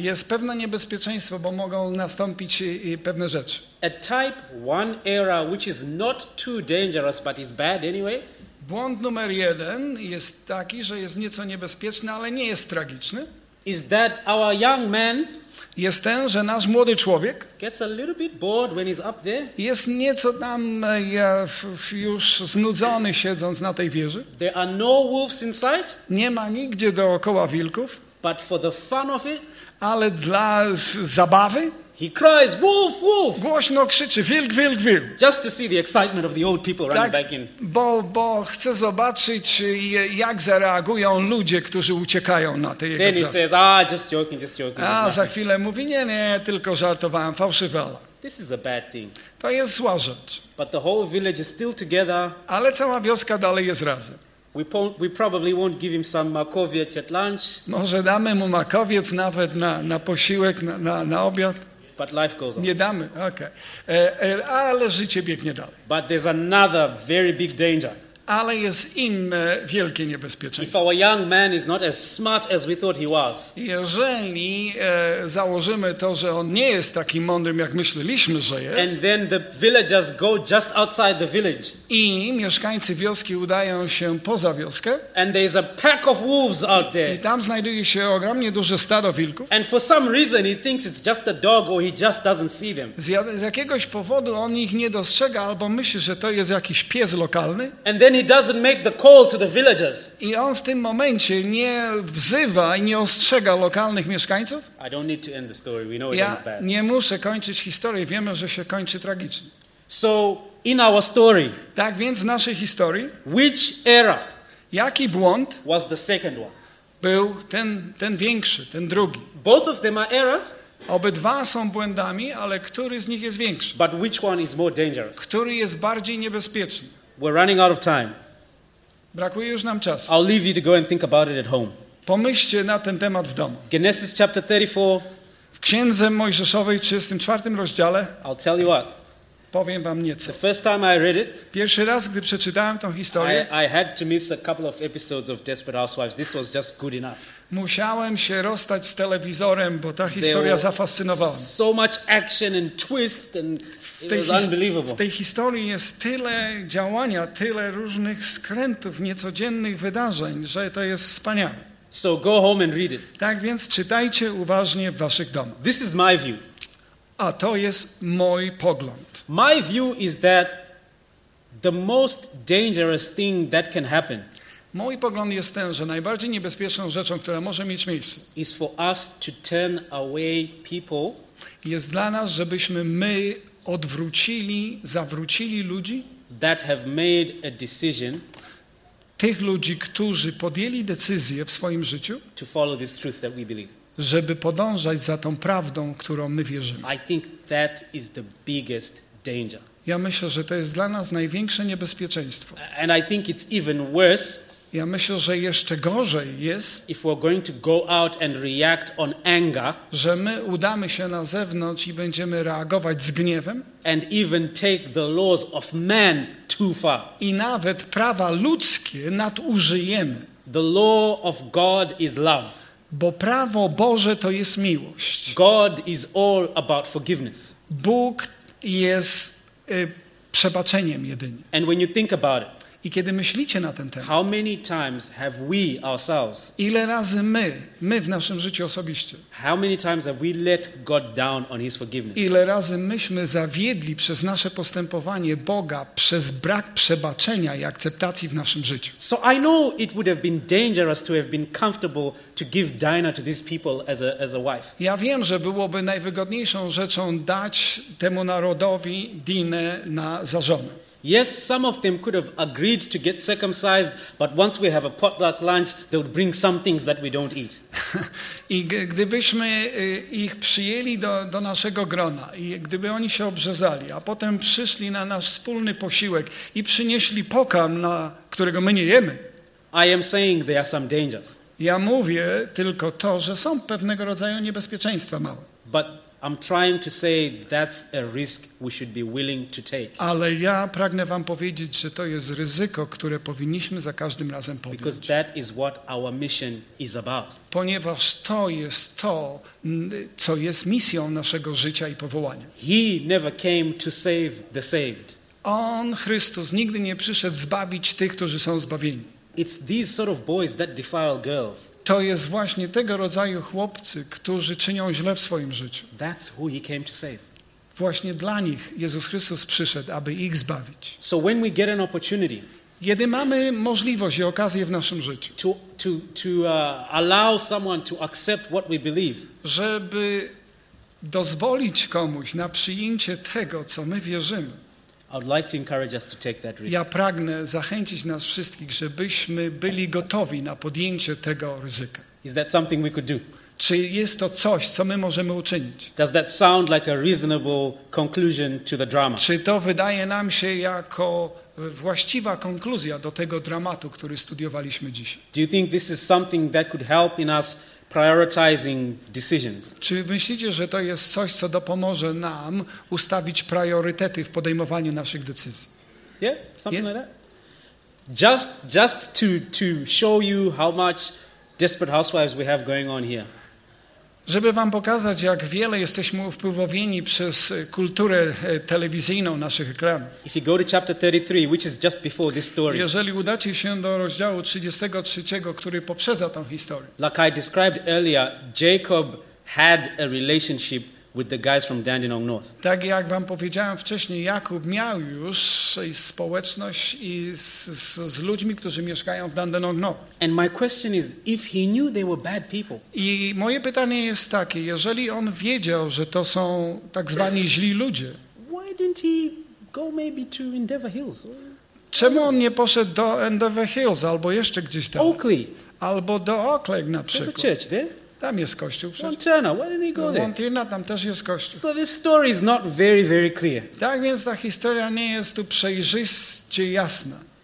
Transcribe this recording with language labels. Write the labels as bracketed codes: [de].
[pl] Jest pewne niebezpieczeństwo, bo mogą nastąpić pewne rzeczy. [en] A type 1 error, which is not too dangerous but is bad anyway. [pl] Błąd numer 1 jest taki, że jest nieco niebezpieczny, ale nie jest tragiczny. [en] Is that our young man? [pl] Jest ten, że nasz młody człowiek [en] gets a little bit bored when he's up there. [pl] Jest nieco tam już znudzony siedząc na tej wieży. [en] There are no wolves inside. [pl] Nie ma nigdzie dookoła wilków. [en] But for the fun of it, [pl] ale dla zabawy, [en] he cries, wolf, wolf! [pl] Głośno krzyczy, wilk, wilk, wilk. [en] Just to see the excitement of the old people running back in. [pl] Bo chcę zobaczyć, jak zareagują ludzie, którzy uciekają na tej jego czas. [en] Then he says, ah, just joking. [pl] A za chwilę mówi, nie, tylko żartowałem, fałszywe. [en] This is a bad thing. [pl] To jest zła rzecz. [en] But the whole village is still together. [pl] Ale cała wioska dalej jest razem. [en] We probably won't give him some makowiec at lunch. [pl] Może damy mu makowiec nawet na posiłek, na obiad. [en] But life goes on. [pl] Nie damy, okej. Okay. Ale życie biegnie dalej. [en] But there's another very big danger. [pl] Ale jest inne wielkie niebezpieczeństwo. [en] If our young man is not as smart as we thought he was. [pl] Jeżeli założymy to, że on nie jest takim mądrym, jak myśleliśmy, że jest. [en] And then the villagers go just outside the village. [pl] I mieszkańcy wioski udają się poza wioskę. [en] And there is a pack of wolves out there. [pl] I tam znajduje się ogromnie duże stado wilków. [en] And for some reason he thinks it's just a dog or he just doesn't see them. [pl] Z jakiegoś powodu on ich nie dostrzega albo myśli, że to jest jakiś pies lokalny. [en] And then he doesn't make the call to the villagers. [pl] I on w tym momencie nie wzywa i nie ostrzega lokalnych mieszkańców. [en] I don't need to end the story. We know [pl] ja [en] it ends bad. [pl] Nie muszę kończyć historii. Wiemy, że się kończy tragicznie. [en] So in our story. [pl] Tak więc w naszej historii. [en] Which error? [pl] Jaki błąd? [en] Was the second one. [pl] Był ten większy, ten drugi. [en] Both of them are errors. [pl] Obydwa są błędami, ale który z nich jest większy? [en] But which one is more dangerous? [pl] Który jest bardziej niebezpieczny? [en] We're running out of time. [pl] Brakuje już nam czasu. [en] I'll leave you to go and think about it at home. [pl] Pomyślcie na ten temat w domu. [en] Genesis chapter 34. [pl] W Księdze Mojżeszowej 34 rozdziale. [en] I'll tell you what. [pl] Powiem wam nieco. [en] The first time I read it. [pl] Pierwszy raz, gdy przeczytałem tą historię. [en] I had to miss a couple of episodes of Desperate Housewives. This was just good enough. [pl] Musiałem się rozstać z telewizorem, bo ta historia zafascynowała. [en] So much action and twist and it was unbelievable. [pl] W tej historii jest tyle działania, tyle różnych skrętów, niecodziennych wydarzeń, że to jest wspaniałe. [en] So go home and read it. [pl] Tak więc czytajcie uważnie w waszych domach. [en] This is my view. [pl] A to jest mój pogląd. [en] My view is that the most dangerous thing that can happen. [pl] Mój pogląd jest ten, że najbardziej niebezpieczną rzeczą, która może mieć miejsce, [en] is for us to turn away people. [pl] Jest dla nas, żebyśmy my odwrócili, zawrócili ludzi, [en] that have made a decision, [pl] tych ludzi, którzy podjęli decyzję w swoim życiu, [en] to follow this truth that we believe. [pl] Żeby podążać za tą prawdą, którą my wierzymy. [en] I think that is the biggest danger. [pl] Ja myślę, że to jest dla nas największe niebezpieczeństwo. [en] And I think it's even worse. [pl] Ja myślę, że jeszcze gorzej jest, [en] if we're going to go out and react on anger, [pl] że my udamy się na zewnątrz i będziemy reagować z gniewem, [en] and even take the laws of man too far. [pl] I nawet prawa ludzkie nadużyjemy. [en] The law of God is love. [pl] Bo prawo Boże to jest miłość. [en] God is all about forgiveness. [pl] Bóg jest przebaczeniem jedynie. [en] And when you think about it, [pl] i kiedy myślicie na ten temat, [en] how many times have we ourselves, [pl] ile razy my w naszym życiu osobiście, [en] how many times have we let God down on his forgiveness? [pl] Ile razy myśmy zawiedli przez nasze postępowanie Boga przez brak przebaczenia i akceptacji w naszym życiu. [en] So I know it would have been dangerous to have been comfortable to give Dinah to these people as a wife. [pl] Ja wiem, że byłoby najwygodniejszą rzeczą dać temu narodowi Dinę za żonę. [en] Yes, some of them could have agreed to get circumcised, but once we have a potluck lunch, they would bring some things that we don't eat. [pl] I gdybyśmy ich przyjęli do naszego grona i gdyby oni się obrzezali, a potem przyszli na nasz wspólny posiłek i przynieśli pokarm, na którego my nie jemy. [en] I am saying there are some dangers. [pl] Ja mówię tylko to, że są pewnego rodzaju niebezpieczeństwa małe. [en] But I'm trying to say that's a risk we should be willing to take. [pl] Ale ja pragnę wam powiedzieć, że to jest ryzyko, które powinniśmy za każdym razem podjąć. [en] Because that is what our mission is about. [pl] Ponieważ to jest to, co jest misją naszego życia i powołania. [en] He never came to save the saved. [pl] On, Chrystus, nigdy nie przyszedł zbawić tych, którzy są zbawieni. [en] It's these sort of boys that defile girls. [pl] To jest właśnie tego rodzaju chłopcy, którzy czynią źle w swoim życiu. [en] That's who he came to save. [pl] Właśnie dla nich Jezus Chrystus przyszedł, aby ich zbawić. [en] So when we get an opportunity, [pl] kiedy mamy możliwość i okazję w naszym życiu, [en] to allow someone to accept what we believe, [pl] żeby dozwolić komuś na przyjęcie tego, co my wierzymy, [en] I would like to encourage us to take that risk. [pl] Ja pragnę zachęcić nas wszystkich, żebyśmy byli gotowi na podjęcie tego ryzyka. [en] Is that something we could do? [pl] Czy jest to coś, co my możemy uczynić? [en] Does that sound like a reasonable conclusion to the drama? [pl] Czy to wydaje nam się jako właściwa konkluzja do tego dramatu, który studiowaliśmy dzisiaj? [en] Do you think this is something that could help in us prioritizing decisions? [pl] Czy myślicie, że to jest coś, co dopomoże nam ustawić priorytety w podejmowaniu naszych decyzji? [en] Yeah, something yes? Like that. Just to show you how much Desperate Housewives we have going on here. [pl] Żeby wam pokazać, jak wiele jesteśmy wpływowieni przez kulturę telewizyjną naszych ekranów. [en] If you go to chapter 33, which is just before this story. [pl] Jeżeli udacie się do rozdziału 33, który poprzedza tą historię. [en] Like I described earlier, Jacob had a relationship with the guys from Dandenong North. [pl] Tak jak wam powiedziałem wcześniej, Jakub miał już społeczność i z ludźmi, którzy mieszkają w Dandenong North. [en] And my question is, if he knew they were bad people. [pl] I moje pytanie jest takie, jeżeli on wiedział, że to są tak zwani źli ludzie. [en] Why didn't he go maybe to Endeavour Hills? [pl] Czemu on nie poszedł do Endeavour Hills albo jeszcze gdzieś tam? [en] Oakley. [pl] Albo do Oakley na przykład. [en] There's a church there. [pl] Tam jest kościół przecież. Montana, tam też jest kościół. So this story is not very, very clear. Tak więc ta historia nie jest tu przejrzyście jasna.